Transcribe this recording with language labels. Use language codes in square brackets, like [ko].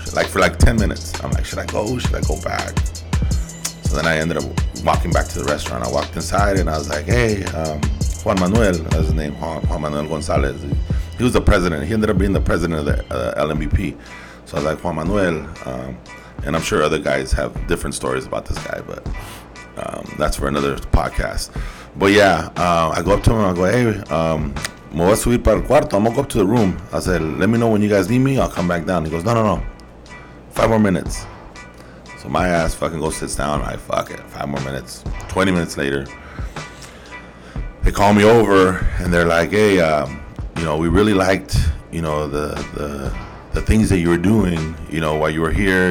[en] Like for like 10 minutes. I'm like, should I go? Should I go back? So then I ended up walking back to the restaurant. I walked inside and I was like, hey, Juan Manuel, that's his name, Juan Manuel Gonzalez. He he was the president. He ended up being the president of the LMVP. So I was like, Juan Manuel. And I'm sure other guys have different stories about this guy, but that's for another podcast. But yeah, I go up to him. I go, hey, [es] me voy a subir para el cuarto. [en] I'm going to go up to the room. I said, let me know when you guys need me. I'll come back down. He goes, no. 5 more minutes. So my ass fucking goes sits down. I fuck it. 5 more minutes. 20 minutes later, they call me over and they're like, hey, you know, we really liked, you know, the things that you were doing, you know, while you were here.